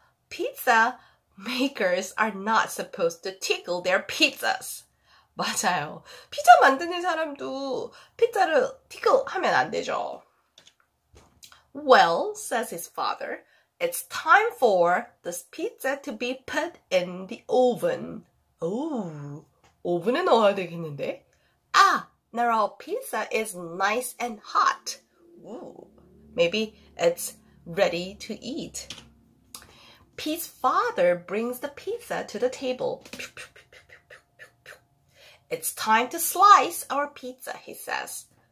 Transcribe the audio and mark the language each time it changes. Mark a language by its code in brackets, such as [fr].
[en] Pizza makers are not supposed to tickle their pizzas. [ko] 맞아요. 피자 만드는 사람도 피자를 tickle 하면 안 되죠. [en] Well, says his father, it's time for this pizza to be put in the oven. [ko] Oh, 오븐에 넣어야 되겠는데? [en] Ah, now our pizza is nice and hot. Ooh, maybe it's ready to eat. Pete's father brings the pizza to the table. It's time to slice our pizza, he says.